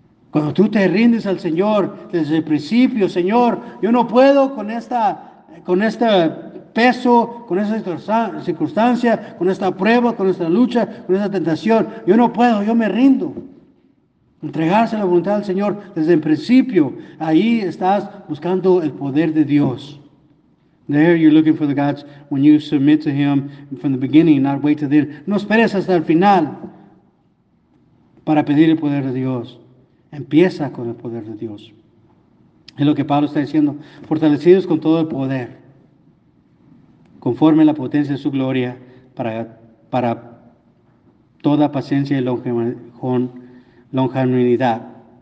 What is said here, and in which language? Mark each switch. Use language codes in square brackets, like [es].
[es] Cuando tú te rindes al Señor desde el principio, Señor, yo no puedo con esta peso, con esa circunstancia, con esta prueba, con esta lucha, con esta tentación, yo no puedo, yo me rindo. Entregarse a la voluntad del Señor desde el principio, ahí estás buscando el poder de Dios. [en] There you're looking for the God's, when you submit to Him from the beginning, not wait to the end. [es] No esperes hasta el final para pedir el poder de Dios. Empieza con el poder de Dios. Es lo que Pablo está diciendo, fortalecidos con todo el poder, conforme a la potencia de su gloria, para toda paciencia y longanimidad.